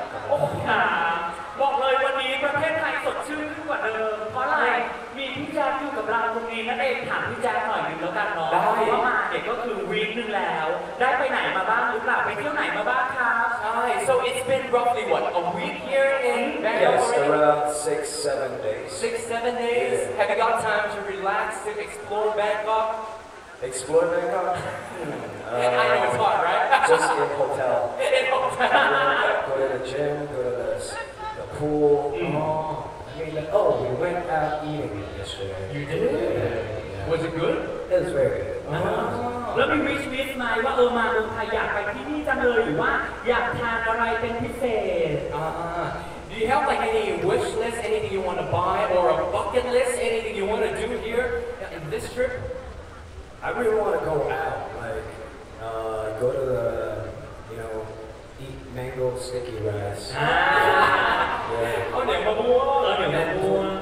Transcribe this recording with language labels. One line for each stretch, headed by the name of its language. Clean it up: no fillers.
Thai: Oh, ah. บอกเลยวันนี้ประเทศไทยสดชื่นขึ้นกว่าเดิมเพราะอะไรมีพี่แจ๊คอยู่กับเราตรงนี้นั่นเองถามพี่แจ๊คหน่อยหนึ่งแล้วกันเนาะ ได้ เพราะมาเด็กก็คือวีคนึงแล้วได้ไปไหนมาบ้างหรือเปล่าไปเที่ยวไหนมาบ้างครับ
English: ใช่ so it's been roughly what a week here in yes around 6-7 days 6-7 days yeah. have you got time to relax to explore Bangkok explore Bangkok I know it's hard right just in hotel in hotel go to the gym go to the pool Oh, we went out eating yesterday. You did? Yeah, yeah, yeah. Was it good? It was very good. Uh-huh.
Thai: แล้วมีวิชวิสไหมว่าเออมาเมืองไทยอยากไปที่นี่จังเลยหรือว่าอยากทานอะไรเป็นพิเศษ
English: Do you have like any wish list, anything you want to buy, or a bucket list, anything you want to do here in this trip? I really want to go out, like go to the you know eat mango sticky rice. Oh, yeah. Oh, yeah.